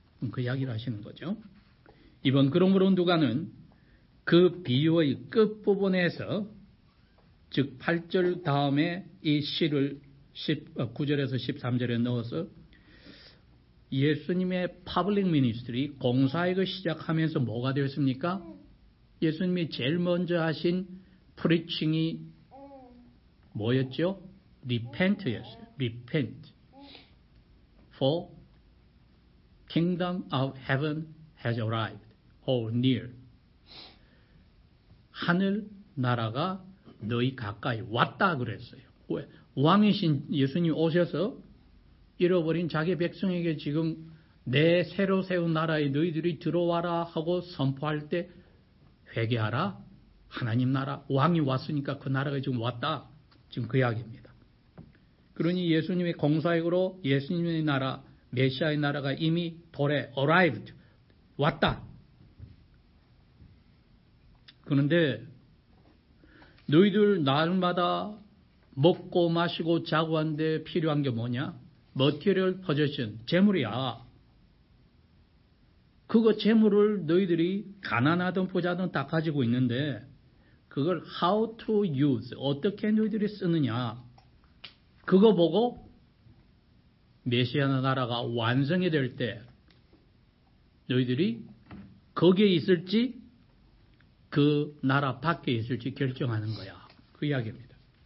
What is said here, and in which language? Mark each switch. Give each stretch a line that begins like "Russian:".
Korean: 그 이야기를 하시는 거죠. 이번 그러므로 누가는 그 비유의 끝부분에서 즉 8절 다음에 이 시를 9절에서 13절에 넣어서 예수님의 퍼블릭 미니스트리 공사역을 시작하면서 뭐가 되었습니까? 예수님이 제일 먼저 하신 프리칭이 뭐였죠? Repent였어요.
English: Repent for kingdom of heaven has arrived or near.
Korean: 하늘 나라가 너희 가까이 왔다 그랬어요. 왜? 왕이신 예수님 오셔서 잃어버린 자기 백성에게 지금 내 새로 세운 나라에 너희들이 들어와라 하고 선포할 때 회개하라. 하나님 나라 왕이 왔으니까 그 나라가 지금 왔다. 지금 그 이야기입니다. 그러니 예수님의 공사역으로 예수님의 나라 메시아의 나라가 이미 돌에 arrived 왔다. 그런데 너희들 날마다 먹고 마시고 자고 한데 필요한 게 뭐냐?
English: Material possession, 재물이야.
Korean: 그거 재물을 너희들이 가난하든 부자든 다 가지고 있는데 그걸
English: how to use,
Korean: 어떻게 너희들이 쓰느냐? 그거 보고 메시아 나라가 완성이 될 때 너희들이 거기에 있을지 그 나라 밖에 있을지 결정하는 거야. 그 이야기입니다.